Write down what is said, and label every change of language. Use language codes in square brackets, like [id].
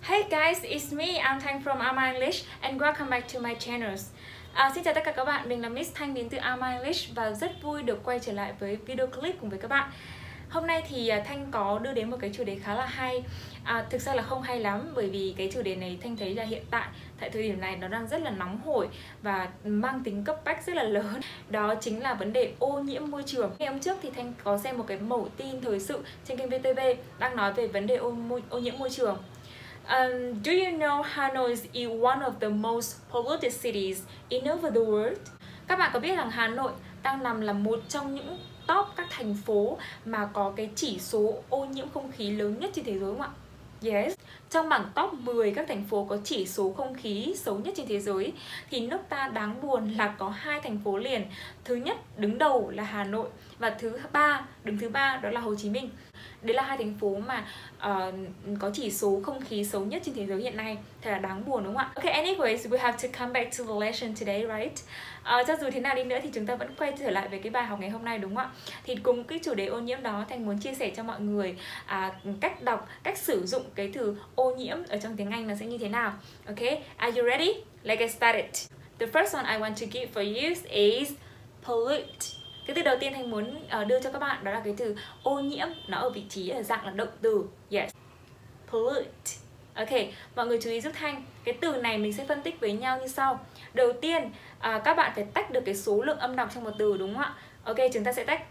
[en] guys, it's me, I'm Thanh from Alma English and welcome back to my channel. [vi] Xin chào tất cả các bạn, mình là Miss Thanh đến từ Alma English và rất vui được quay trở lại với video clip cùng với các bạn. Hôm nay thì Thanh có đưa đến một cái chủ đề khá là hay. Thực ra là không hay lắm bởi vì cái chủ đề này Thanh thấy là hiện tại thời điểm này nó đang rất là nóng hổi và mang tính cấp bách rất là lớn. Đó chính là vấn đề ô nhiễm môi trường. Ngày hôm trước thì Thanh có xem một cái mẩu tin thời sự trên kênh VTV đang nói về vấn đề ô nhiễm môi trường. [en] Do you know Hanoi is one of the most polluted cities in over the world? [vi] Các bạn có biết rằng Hà Nội đang nằm là một trong những top các thành phố mà có cái chỉ số ô nhiễm không khí lớn nhất trên thế giới không ạ? Yes, trong bảng top 10 các thành phố có chỉ số không khí xấu nhất trên thế giới thì nước ta đáng buồn là có hai thành phố liền. Thứ nhất đứng đầu là Hà Nội và đứng thứ ba đó là Hồ Chí Minh. Đây là hai thành phố mà có chỉ số không khí xấu nhất trên thế giới hiện nay. Thật là đáng buồn đúng không ạ? [en] Okay, anyways, we have to come back to the lesson today, right? [vi] Cho dù thế nào đi nữa thì chúng ta vẫn quay trở lại với cái bài học ngày hôm nay đúng không ạ? Thì cùng cái chủ đề ô nhiễm đó, Thanh muốn chia sẻ cho mọi người cách đọc, cách sử dụng cái từ ô nhiễm ở trong tiếng Anh nó sẽ như thế nào. [en] Okay, are you ready? Let's get started. The first one I want to give for you is pollute. [vi] Cái từ đầu tiên Thanh muốn đưa cho các bạn đó là cái từ ô nhiễm, nó ở vị trí ở dạng là động từ. Yes, pollute. Ok, mọi người chú ý giúp Thanh. Cái từ này mình sẽ phân tích với nhau như sau. Đầu tiên, các bạn phải tách được cái số lượng âm đọc trong một từ đúng không ạ? Ok, chúng ta sẽ tách.